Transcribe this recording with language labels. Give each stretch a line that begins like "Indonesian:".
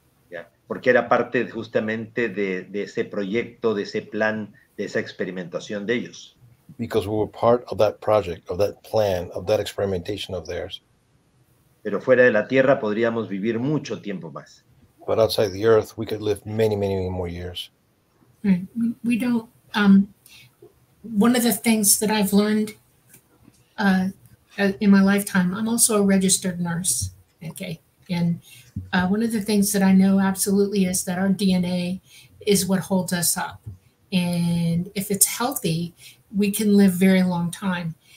English: Yeah.
Spanish: Porque era parte justamente de ese proyecto, de ese plan, de esa experimentación de ellos.
English: Because we were part of that project, of that plan, of that experimentation of theirs.
Spanish: Pero fuera de la Tierra podríamos vivir mucho tiempo más.
English: But outside the Earth, we could live many, many, many more years. We don't. One of the things that I've learned in my lifetime, I'm also a registered nurse. Okay, and one of the things that I know absolutely is that our DNA is what holds us up, and if it's healthy, we can live very long time.